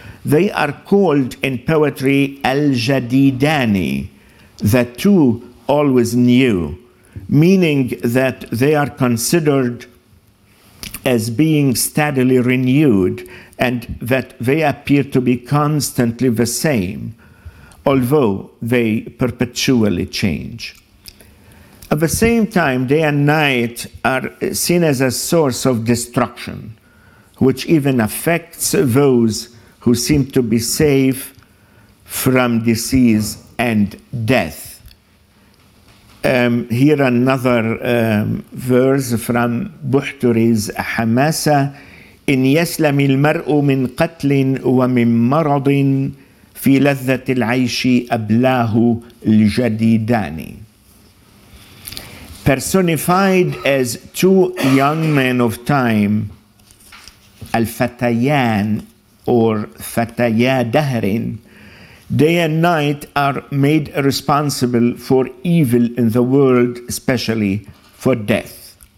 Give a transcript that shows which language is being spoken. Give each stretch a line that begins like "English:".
English: They are called in poetry al-jadidani, the two always new, meaning that they are considered as being steadily renewed and that they appear to be constantly the same, although they perpetually change. At the same time, day and night are seen as a source of destruction, which even affects those who seem to be safe from disease and death. Here another verse from Buhturi's Hamasa:
Arabic: إن يسلم المرء من قتل ومن مرض في لذة العيش أبلاه الجديدان.
English: Personified as two young men of time, Al-Fatayan or Fataya Dahrin, day and night are made responsible for evil in the world, especially for death.